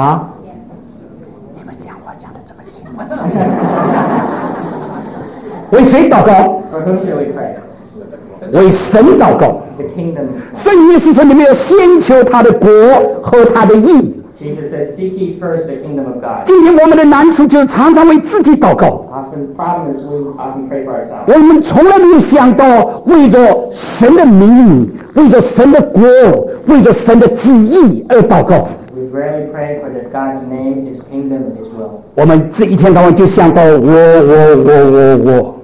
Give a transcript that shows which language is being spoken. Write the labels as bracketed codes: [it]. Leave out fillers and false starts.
[zh] 啊？你们讲话讲得这么轻，我这么讲。为谁祷告？ [en] For whom should we pray? [zh] 为神祷告。 [en] The kingdom. [zh] 圣经说你们要先求他的国和他的义。 [en] Jesus says, "Seek ye first the kingdom of God." [zh] 今天我们的难处就是常常为自己祷告。 [en] Often problem is we often pray for ourselves. [zh] 我们从来没有想到为着神的名，为着神的国，为着神的旨意而祷告。 [en] We rarely pray for the God's name, His kingdom, and His will. [zh] 我们这一天到晚就想到我。